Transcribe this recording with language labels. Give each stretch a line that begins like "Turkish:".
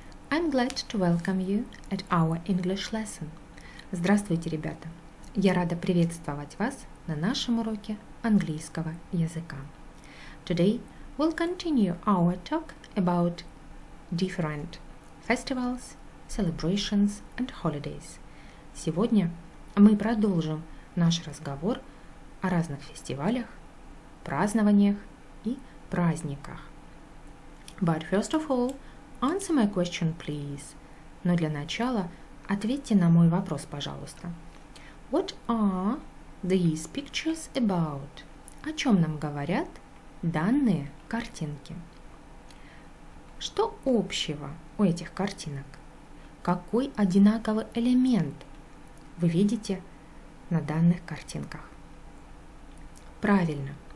English: I'm glad to welcome you at our English lesson.
Russian: Здравствуйте, ребята. Я рада приветствовать вас на нашем уроке английского языка.
English: Today we'll continue our talk about different festivals, celebrations and holidays.
Russian: Сегодня мы продолжим наш разговор о разных фестивалях, празднованиях и праздниках.
English: But first of all, answer my question, please.
Russian: Но для начала ответьте на мой вопрос, пожалуйста.
English: What are these pictures about?
Russian: О чем нам говорят данные картинки? Что общего у этих картинок? Какой одинаковый элемент вы видите на данных картинках? Правильно.